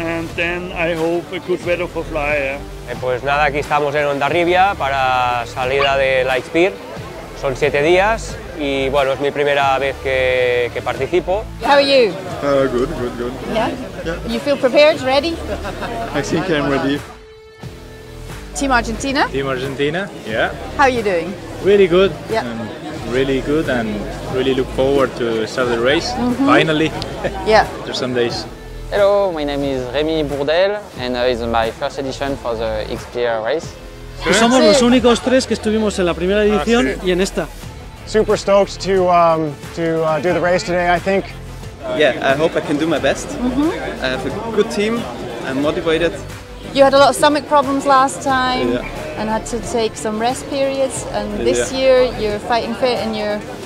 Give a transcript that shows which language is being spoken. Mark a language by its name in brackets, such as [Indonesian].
[English] And then I hope a good weather for flyer. [Spanish] Pues nada, aquí estamos en Ondarribia para salida de la X-Pyr. Son 7 días y bueno, es mi primera vez que participo. [English] How are you? Good. Yeah? Yeah. You feel prepared, ready? I think I'm ready. Team Argentina? Team Argentina, yeah. How are you doing? Really good. Yeah. Really good and really look forward to start the race, mm-hmm. Finally, yeah. After some days. Hello, my name is Rémi Bourdel and it's my first edition for the X-Pyr race. [Spanish] Pues somos los únicos tres que estuvimos en la primera edición y en esta. [English] Super stoked to do the race today, I think. Yeah, I hope I can do my best. Mm-hmm. I have a good team, I'm motivated. You had a lot of stomach problems last time. Yeah. And had to take some rest periods, and this year you're fighting fit and you're...